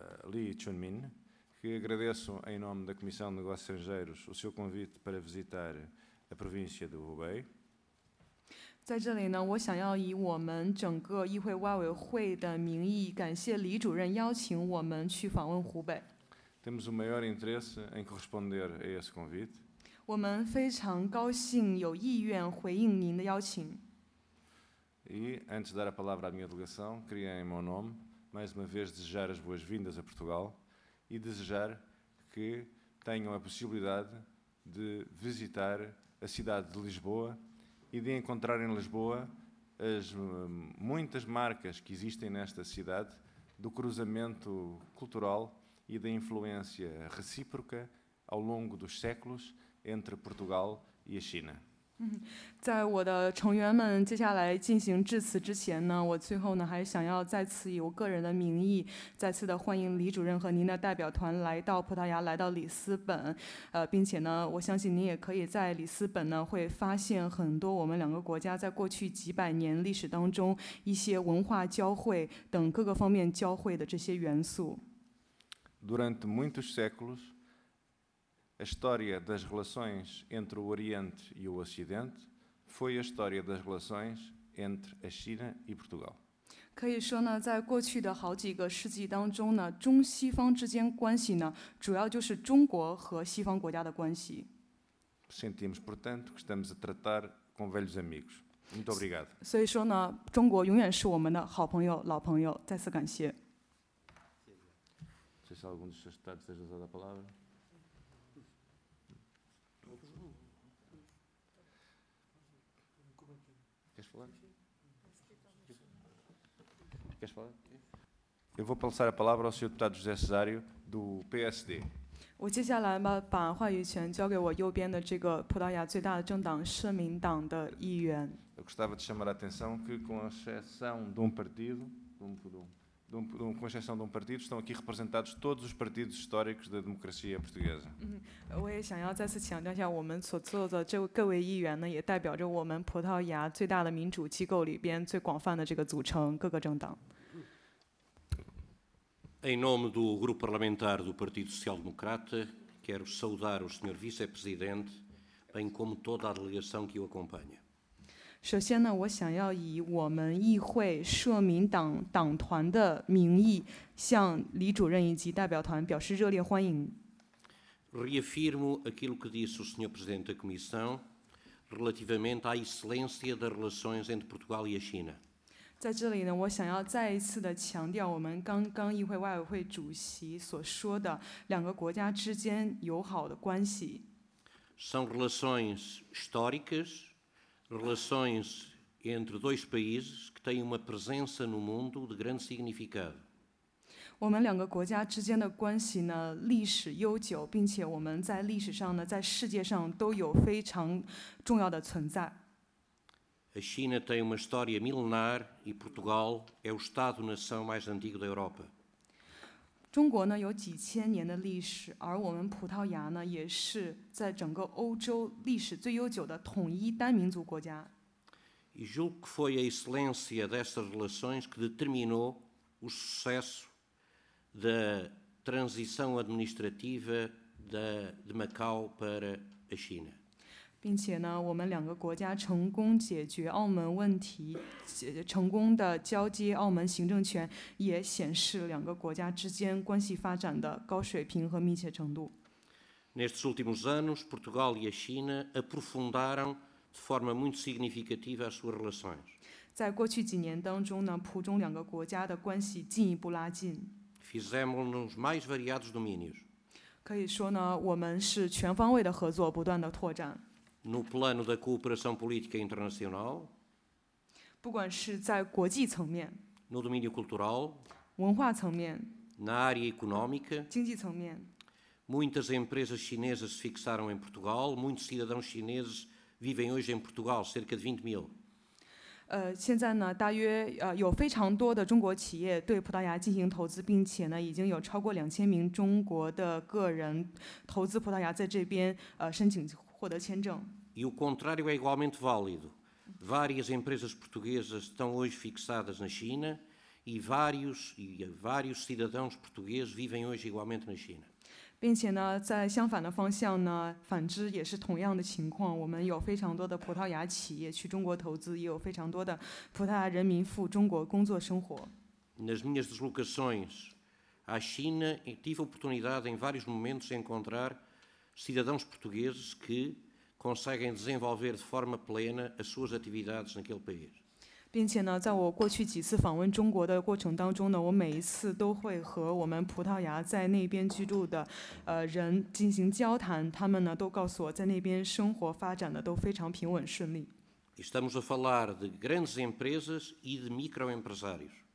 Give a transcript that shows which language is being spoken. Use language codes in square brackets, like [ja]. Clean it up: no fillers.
[pt] Li Chunmin que agradeço em nome da Comissão de Negócios Estrangeiros o seu convite para visitar a província do Hubei. [zh] 在这里呢，我想要以我们整个议会外委会的名义，感谢李主任邀请我们去访问湖北。 [pt] Temos o maior interesse em corresponder a esse convite. [zh] 我们非常高兴有意愿回应您的邀请。 [pt] E, antes de dar a palavra à minha delegação, queria em meu nome, mais uma vez, desejar as boas-vindas a Portugal e desejar que tenham a possibilidade de visitar a cidade de Lisboa e de encontrar em Lisboa as muitas marcas que existem nesta cidade do cruzamento cultural e da influência recíproca ao longo dos séculos entre Portugal e a China. [zh] 在我的成员们接下来进行致辞之前呢，我最后呢还想要再次以我个人的名义再次的欢迎李主任和您的代表团来到葡萄牙，来到里斯本，并且呢我相信您也可以在里斯本呢会发现很多我们两个国家在过去几百年历史当中一些文化交汇等各个方面交汇的这些元素。 [pt] Durante muitos séculos a história das relações entre o Oriente e o Ocidente foi a história das relações entre a China e Portugal. [zh] 可以说呢，在过去的好几个世纪当中呢，中西方之间关系呢，主要就是中国和西方国家的关系。 [pt] Sentimos, portanto, que estamos a tratar com velhos amigos. Muito obrigado. [zh] 所以说呢，中国永远是我们的好朋友、老朋友。再次感谢。谢谢。 [pt] Não sei se algum dos seus deputados deseja usar a palavra. Eu vou passar a palavra ao senhor deputado José Cesário do PSD. [zh] 我接下来把话语权交给我右边的这个葡萄牙最大的政党社民党的议员。 [pt] Eu gostava de chamar a atenção que, com exceção de um partido, com exceção de um partido, estão aqui representados todos os partidos históricos da democracia portuguesa. [zh] 我也想要再次强调一下，我们所做的这各位议员呢，也代表着我们葡萄牙最大的民主机构里边最广泛的这个组成，各个政党。 [pt] Em nome do Grupo Parlamentar do Partido Social Democrata, quero saudar o Sr. Vice-Presidente, bem como toda a delegação que o acompanha. [zh] 首先呢，我想要以我们议会社民党党团的名义，向李主任以及代表团表示热烈欢迎。 [pt] Reafirmo aquilo que disse o Sr. Presidente da Comissão relativamente à excelência das relações entre Portugal e a China. [zh] 在这里呢，我想要再一次的强调我们刚刚议会外委会主席所说的两个国家之间友好的关系。 [pt] São relações históricas, relações entre dois países que têm uma presença no mundo de grande significado. [zh] 我们两个国家之间的关系呢，历史悠久，并且我们在历史上呢，在世界上都有非常重要的存在。 [pt] A China tem uma história milenar e Portugal é o Estado-nação mais antigo da Europa. [zh] 中国呢有几千年的历史，而我们葡萄牙呢也是在整个欧洲历史最悠久的统一单民族国家。 [pt] E julgo que foi a excelência dessas relações que determinou o sucesso da transição administrativa de Macau para a China. [zh] 并且呢，我们两个国家成功解决澳门问题，成功的交接澳门行政权，也显示两个国家之间关系发展的高水平和密切程度。 [pt] Nestes últimos anos, Portugal e a China aprofundaram de forma muito significativa as suas relações. [zh] 在过去几年当中呢，葡中两个国家的关系进一步拉近。 [pt] Fizemos-nos mais variados domínios. [zh] 可以说呢，我们是全方位的合作，不断的拓展。 [pt] No plano da cooperação política internacional, [zh] 不管是在国际层面 [pt] no domínio cultural, [zh] 文化层面 [pt] na área econômica, [zh] 经济层面 [pt] muitas empresas chinesas se fixaram em Portugal, muitos cidadãos chineses vivem hoje em Portugal, cerca de 20 mil. [zh] 现在呢，大约有非常多的中国企业对葡萄牙进行投资，并且呢，已经有超过2000名中国的个人投资葡萄牙在这边申请。 [pt] E o contrário é igualmente válido. Várias empresas portuguesas estão hoje fixadas na China e vários cidadãos portugueses vivem hoje igualmente na China. [zh] 并且呢，在相反的方向呢，反之也是同样的情况。我们有非常多的葡萄牙企业去中国投资，也有非常多的葡萄牙人民赴中国工作生活。 [pt] Nas minhas deslocações à China, tive a oportunidade em vários momentos de encontrar. Cidadãos portugueses que conseguem desenvolver de forma plena as suas atividades naquele país. [zh] 并且呢，在我过去几次访问中国的过程当中呢，我每一次都会和我们葡萄牙在那边居住的人进行交谈，他们呢都告诉我在那边生活发展的都非常平稳顺利。 [pt] Estamos a falar de grandes empresas e de microempresários.